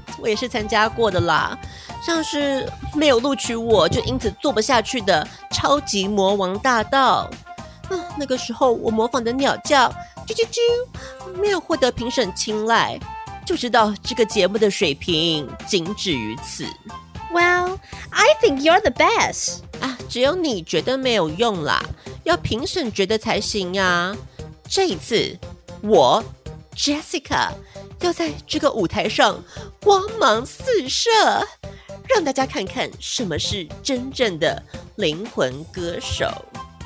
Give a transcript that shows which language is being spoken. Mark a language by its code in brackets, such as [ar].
[zh] 我也是参加过的啦。像是没有录取我就因此做不下去的《超级魔王大道》啊，那个时候我模仿的鸟叫啾啾啾，没有获得评审青睐，就知道这个节目的水平仅止于此。 [en] Well, I think you're the best. [zh] 啊，只有你觉得没有用啦，要评审觉得才行呀。这一次，我 Jessica 要在这个舞台上光芒四射，让大家看看什么是真正的灵魂歌手。